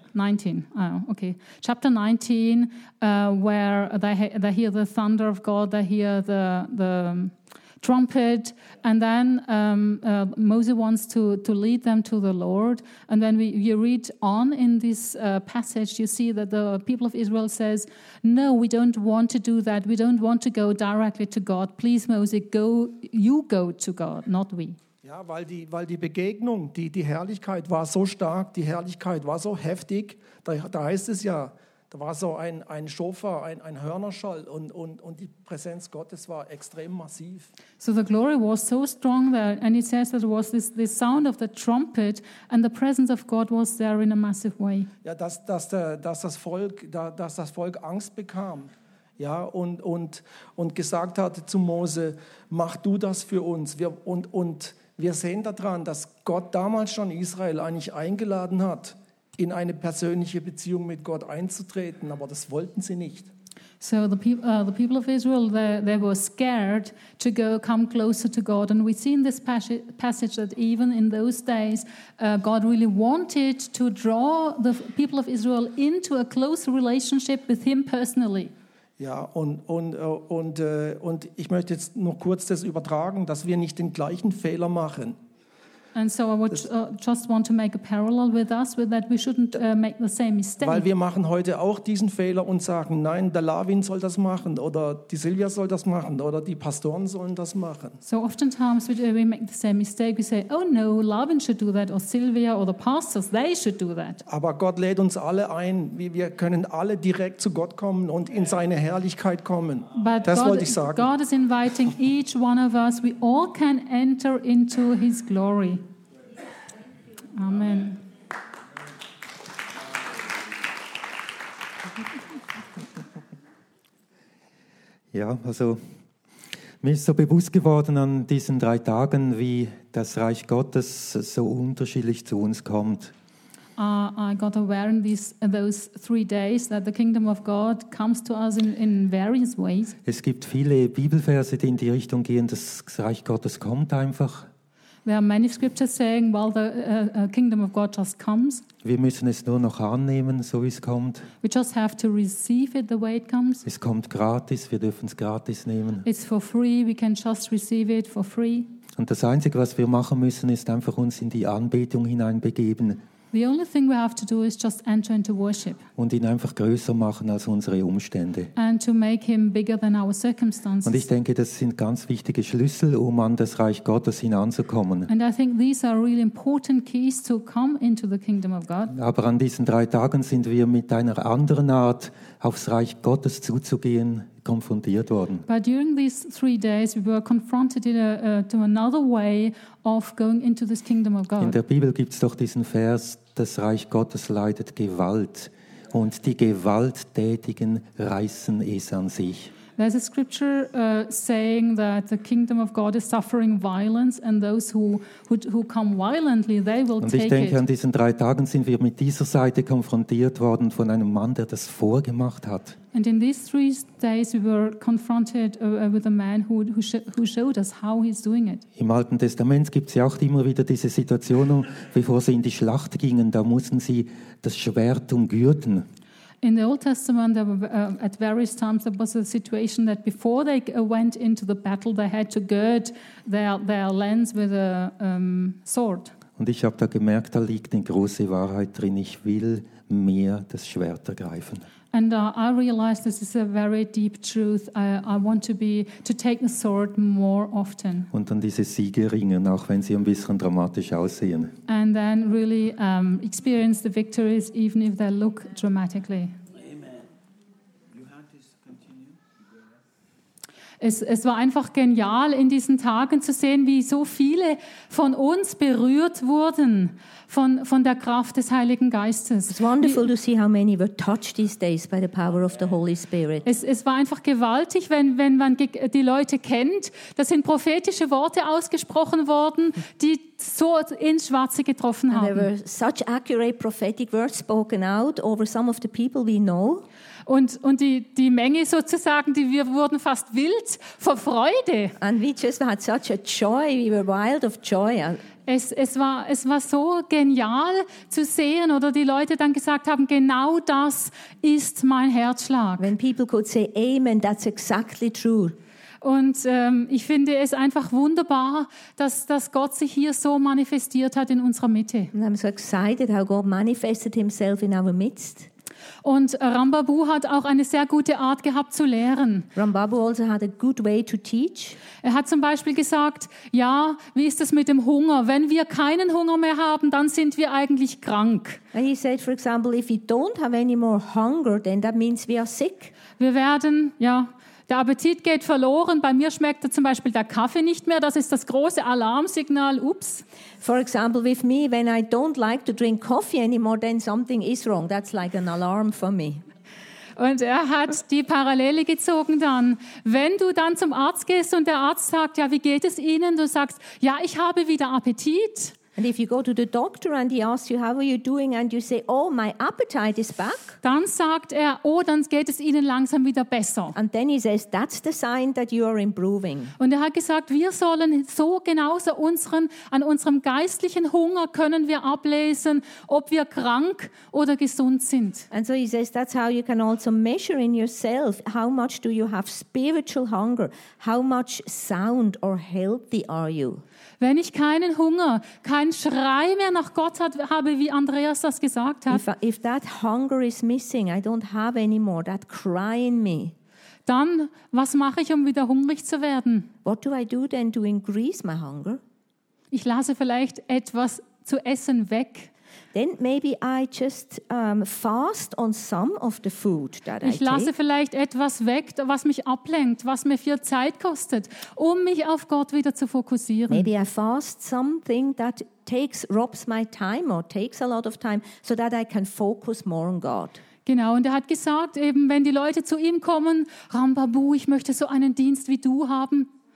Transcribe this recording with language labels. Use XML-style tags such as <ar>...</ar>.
<en>Oh, okay, chapter 19, where they hear the thunder of God, they hear the trumpet, and then Moses wants to lead them to the Lord. And when you read on in this passage, you see that the people of Israel says, no, we don't want to do that. We don't want to go directly to God. Please, Moses, go to God, not we.</en> <de>Ja, weil die Begegnung, die Herrlichkeit war so stark, die Herrlichkeit war so heftig. Da heißt es ja, da war so ein Schofar, ein Hörnerschall und die Präsenz Gottes war extrem massiv.</de> <en>So the glory was so strong there, and it says that it was this sound of the trumpet and the presence of God was there in a massive way.</en> <de>Ja, dass das Volk Angst bekam, ja, und gesagt hat zu Mose, mach du das für uns. Wir sehen daran, dass Gott damals schon Israel eigentlich eingeladen hat, in eine persönliche Beziehung mit Gott einzutreten, aber das wollten sie nicht.</de> <en>So the people of Israel, they were scared to go come closer to God, and we see in this passage that even in those days, God really wanted to draw the people of Israel into a close relationship with Him personally.</en> <de>Ja, und ich möchte jetzt noch kurz das übertragen, dass wir nicht den gleichen Fehler machen.</de> <en>And so I would just want to make a parallel with us, with that we shouldn't make the same mistake.</en> <de>Weil wir machen heute auch diesen Fehler und sagen, nein, der Lavin soll das machen oder die Silvia soll das machen oder die Pastoren sollen das machen.</de> <en>So oftentimes we make the same mistake. We say, oh no, Lavin should do that or Silvia or the pastors, they should do that.</en> <de>Aber Gott lädt uns alle ein, wie wir können alle direkt zu Gott kommen und in seine Herrlichkeit kommen.</de> <en>But</en> <de>das wollte ich sagen.</de> <en>God is inviting each one of us. We all can enter into his glory. Amen.</en> <de>Ja, also mir ist so bewusst geworden an diesen drei Tagen, wie das Reich Gottes so unterschiedlich zu uns kommt.</de> <en>I got aware in those three days that the kingdom of God comes to us in various ways.</en> <de>Es gibt viele Bibelverse, die in die Richtung gehen, das Reich Gottes kommt einfach.</de> <en>There are many scriptures saying, "Well, the kingdom of God just comes."</en> <de>Wir müssen es nur noch annehmen, so wie es kommt.</de> <en>We just have to receive it the way it comes.</en> <de>Es kommt gratis, wir dürfen es gratis nehmen.</de> <en>It's for free. We can just receive it for free.</en> <de>Und das Einzige, was wir machen müssen, ist einfach uns in die Anbetung hineinbegeben.</de> <en>The only thing we have to do is just enter into worship.</en> <de>Und ihn einfach größer machen als unsere Umstände.</de> <en>And to make him bigger than our circumstances.</en> <de>Und ich denke, das sind ganz wichtige Schlüssel, um an das Reich Gottes hinanzukommen.</de> <en>And I think these are really important keys to come into the kingdom of God.</en> <de>Aber an diesen drei Tagen sind wir mit einer anderen Art, aufs Reich Gottes zuzugehen, konfrontiert worden.</de> <en>But during these three days we were confronted in to another way of going into this kingdom of God.</en> <de>In der Bibel gibt's doch diesen Vers, das Reich Gottes leidet Gewalt und die Gewalttätigen reißen es an sich.</de> <en>There's a scripture saying that the kingdom of God is suffering violence and those who come violently they will take it.</en> <de>Und ich denke, an diesen drei Tagen sind wir mit dieser Seite konfrontiert worden von einem Mann, der das vorgemacht hat.</de> <en>And in these three days we were confronted with a man who showed us how he's doing it.</en> <de>Im Alten Testament gibt's ja auch immer wieder diese Situation, bevor sie in die Schlacht gingen, da mussten sie das Schwert umgürten.</de> <en>In the Old Testament, there were, at various times, there was a situation that before they went into the battle, they had to gird their lens with a sword.</en> <de>Und ich habe da gemerkt, da liegt eine große Wahrheit drin. Ich will mehr das Schwert ergreifen.</de> <en>And I realized this is a very deep truth. I want to take the sword more often.</en> <de>Und dann diese Siegerringe, auch wenn sie ein bisschen dramatisch aussehen.</de> <en>And then really experience the victories, even if they look dramatically.</en> <de>Es war einfach genial, in diesen Tagen zu sehen, wie so viele von uns berührt wurden von der Kraft des Heiligen Geistes.</de> <en>It's wonderful to see how many were touched these days by the power of the Holy Spirit.</en> <de>Es war einfach gewaltig, wenn man die Leute kennt. Da sind prophetische Worte ausgesprochen worden, die so ins Schwarze getroffen haben.</de> <en>There were such accurate prophetic words spoken out over some of the people we know.</en> <de>Und die Menge sozusagen, die wir wurden fast wild vor Freude.</de> <en>And we just had such a joy, we were wild of joy.</en> <de>Es war so genial zu sehen, oder die Leute dann gesagt haben, genau das ist mein Herzschlag.</de> <en>When people could say amen, that's exactly true.</en> <de>Und ich finde es einfach wunderbar, dass Gott sich hier so manifestiert hat in unserer Mitte.</de> <en>And I'm so excited how God manifested himself in our midst.</en> <de>Und Rambabu hat auch eine sehr gute Art gehabt zu lehren.</de> <en>Rambabu also had a good way to teach.</en> <de>Er hat zum Beispiel gesagt, ja, wie ist es mit dem Hunger? Wenn wir keinen Hunger mehr haben, dann sind wir eigentlich krank.</de> <en>And he said, for example, if we don't have any more hunger, then that means we are sick.</en> <de>Wir werden, ja, der Appetit geht verloren. Bei mir schmeckt zum Beispiel der Kaffee nicht mehr. Das ist das große Alarmsignal. Ups.</de> <en>For example, with me, when I don't like to drink coffee anymore, then something is wrong. That's like an alarm for me.</en> <de>Und er hat die Parallele gezogen dann. Wenn du dann zum Arzt gehst und der Arzt sagt, ja, wie geht es Ihnen? Du sagst, ja, ich habe wieder Appetit.</de> <en>And if you go to the doctor and he asks you, how are you doing? And you say, oh, my appetite is back.</en> <de>Dann sagt er, oh, dann geht es Ihnen langsam wieder besser.</de> <en>And then he says, that's the sign that you are improving.</en> <de>Und er hat gesagt, wir sollen so genauso an unserem geistlichen Hunger können wir ablesen, ob wir krank oder gesund sind.</de> <en>And so he says, that's how you can also measure in yourself, how much do you have spiritual hunger? How much sound or healthy are you?</en> <de>Wenn ich keinen Hunger, keinen Schrei mehr nach Gott habe, wie Andreas das gesagt hat.</de> <en>If that hunger is missing, I don't have anymore that cry in me.</en> <de>Dann, was mache ich, um wieder hungrig zu werden?</de> <en>What do I do then to increase my hunger?</en> <de>Ich lasse vielleicht etwas zu essen weg.</de> <en>Then maybe I just fast on some of the food that I take.</en> <de>Ich lasse vielleicht etwas weg, was mich ablenkt, was mir viel Zeit kostet, um mich auf Gott wieder zu fokussieren.</de> <en>Maybe I fast something that robs my time or takes a lot of time, so that I can focus more on God.</en> <de>Genau, und er hat gesagt, eben wenn die Leute zu ihm kommen, Rambabu, ich möchte so einen Dienst wie du haben.</de>